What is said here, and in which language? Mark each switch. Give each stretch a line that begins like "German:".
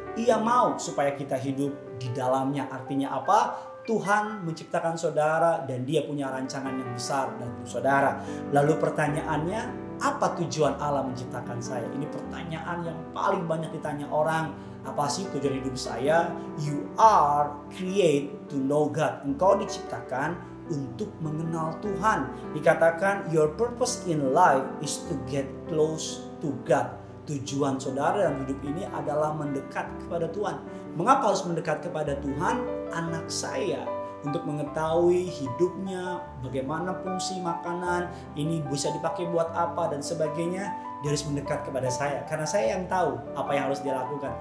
Indonesian: Ia mau supaya kita hidup di dalamnya. Artinya apa? Tuhan menciptakan saudara. Dan dia punya rancangan yang besar dalam saudara. Lalu pertanyaannya. Apa tujuan Allah menciptakan saya? Ini pertanyaan yang paling banyak ditanya orang. Apa sih tujuan hidup saya?
English: You are created to know God.
Indonesian: Engkau diciptakan untuk mengenal Tuhan. Dikatakan
English: your purpose in life is to get close to God.
Indonesian: Tujuan saudara dalam hidup ini adalah mendekat kepada Tuhan. Mengapa harus mendekat kepada Tuhan? Anak saya. Untuk mengetahui hidupnya, bagaimana fungsi makanan, ini bisa dipakai buat apa dan sebagainya. Dia harus mendekat kepada saya. Karena saya yang tahu apa yang harus dia lakukan.